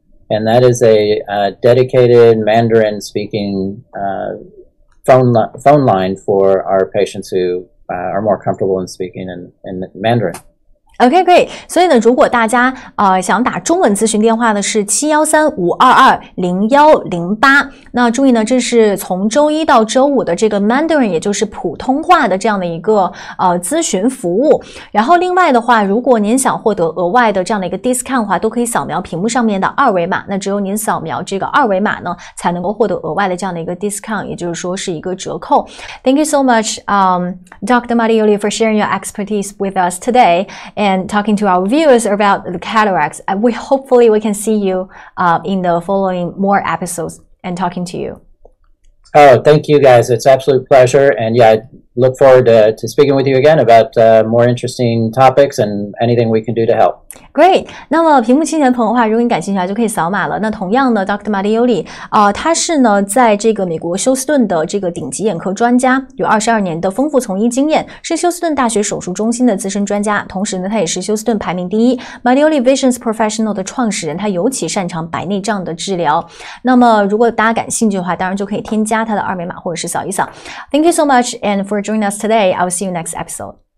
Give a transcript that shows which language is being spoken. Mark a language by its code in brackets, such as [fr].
[en] And that is a dedicated Mandarin-speaking phone line for our patients who are more comfortable in speaking in Mandarin. OK, great. [zh] 所以呢，如果大家想打中文咨询电话呢，是713-522-0108。那注意呢，这是从周一到周五的这个 Mandarin， 也就是普通话的这样的一个咨询服务。然后另外的话，如果您想获得额外的这样的一个 discount 的话，都可以扫描屏幕上面的二维码。那只有您扫描这个二维码呢，才能够获得额外的这样的一个 discount， 也就是说是一个折扣。 [en] Thank you so much, Dr. Mattioli, for sharing your expertise with us today. And talking to our viewers about the cataracts, hopefully we can see you in the following more episodes and talking to you. Oh, thank you guys. It's an absolute pleasure. And yeah, I look forward to speaking with you again about more interesting topics and anything we can do to help. Great. [zh] 那么屏幕前的朋友的话，如果你感兴趣的话，就可以扫码了。那同样呢 ，Dr. Mattioli， 他是呢在这个美国休斯顿的这个顶级眼科专家，有22年的丰富从医经验，是休斯顿大学手术中心的资深专家。同时呢，他也是休斯顿排名第一 Mattioli Vision Professional 的创始人。他尤其擅长白内障的治疗。那么如果大家感兴趣的话，当然就可以添加他的二维码或者是扫一扫。 [en] Thank you so much, and for joining us today. I'll see you next episode.